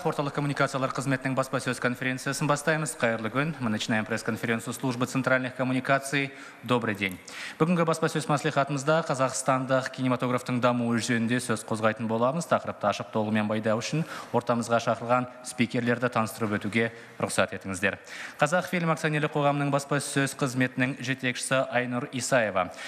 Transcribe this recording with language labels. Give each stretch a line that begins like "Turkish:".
Kazakh: Орталық коммуникациялар қызметінің баспасөз конференциясын бастаймыз. Қайырлы күн.
Russian: Мы начинаем пресс-конференцию службы центральных коммуникаций. Добрый день.
Kazakh: Бүгінгі баспасөз мәслихатымызда қазақстандық кинематографтың дамуы жөнінде сөз қозғайтын боламыз. Тақырыпты ашық толымен байдау үшін ортамызға шақырған спикерлерді таныстырып өтуге рұқсат етіңіздер. Қазақ фильм акционерлік қоғамының баспасөз қызметінің жетекшісі Айнур Исаева.